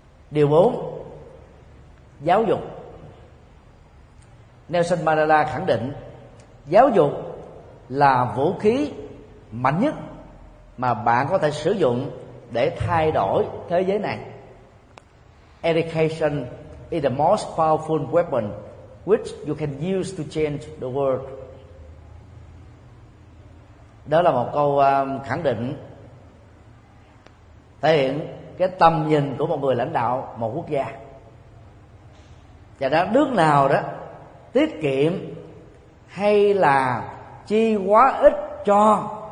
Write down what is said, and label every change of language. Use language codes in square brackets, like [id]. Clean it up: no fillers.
[vi] Điều 4, giáo dục. Nelson Mandela khẳng định, giáo dục là vũ khí mạnh nhất mà bạn có thể sử dụng để thay đổi thế giới này. [en] Education is the most powerful weapon which you can use to change the world. [vi] Đó là một câu khẳng định thể hiện cái tầm nhìn của một người lãnh đạo một quốc gia. Và đó, nước nào đó tiết kiệm hay là chi quá ít cho